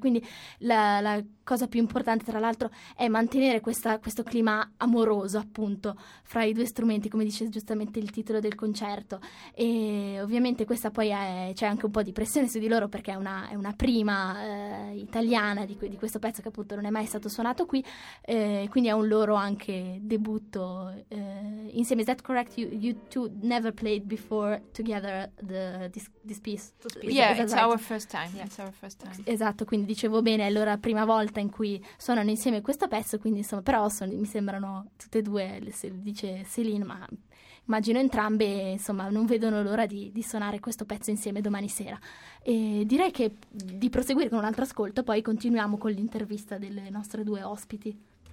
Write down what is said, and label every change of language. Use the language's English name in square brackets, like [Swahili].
[Italian] Quindi la cosa più importante, tra l'altro, è mantenere questo clima amoroso, appunto, fra i due strumenti, come dice giustamente il titolo del concerto. E ovviamente questa poi c'è anche un po' di pressione su di loro, perché è una prima italiana di questo pezzo, che appunto non è mai stato suonato qui, quindi è un loro anche debutto insieme. [English] Is that correct? You two never played before together this piece? It's our first time. [Italian] Esatto, quindi dicevo bene, è allora prima volta in cui suonano insieme questo pezzo, quindi insomma, però mi sembrano tutte e due, dice Céline, ma immagino entrambe, insomma, non vedono l'ora di suonare questo pezzo insieme domani sera. E direi che di proseguire con un altro ascolto, poi continuiamo con l'intervista delle nostre due ospiti.